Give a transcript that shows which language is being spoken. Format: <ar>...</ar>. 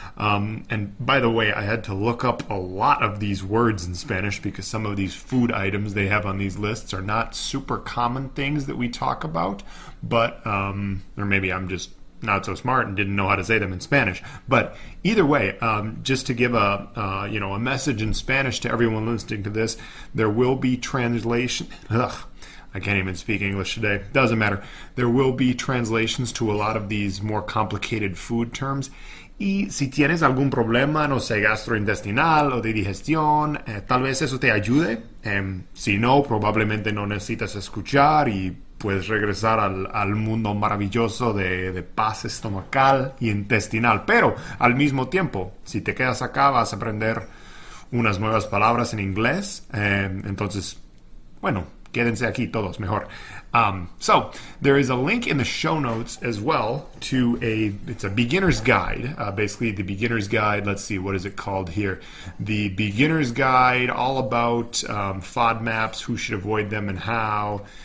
<en>And by the way, I had to look up a lot of these words in Spanish because some of these food items they have on these lists are not super common things that we talk about, but or maybe I'm just not so smart and didn't know how to say them in Spanish. But either way, just to give a message in Spanish to everyone listening to this, there will be translation. Ugh, I can't even speak English today. Doesn't matter. There will be translations to a lot of these more complicated food terms.</en> <es>Y si tienes algún problema, no sé, gastrointestinal o de digestión, tal vez eso te ayude. Si no, probablemente no necesitas escuchar y puedes regresar al mundo maravilloso de paz estomacal y intestinal. Pero, al mismo tiempo, si te quedas acá, vas a aprender unas nuevas palabras en inglés. Entonces, bueno, quédense aquí todos, mejor.</es> <en>So, there is a link in the show notes as well to it's a beginner's guide. Basically, the beginner's guide, let's see, what is it called here? The beginner's guide, all about FODMAPs, who should avoid them and how.</en>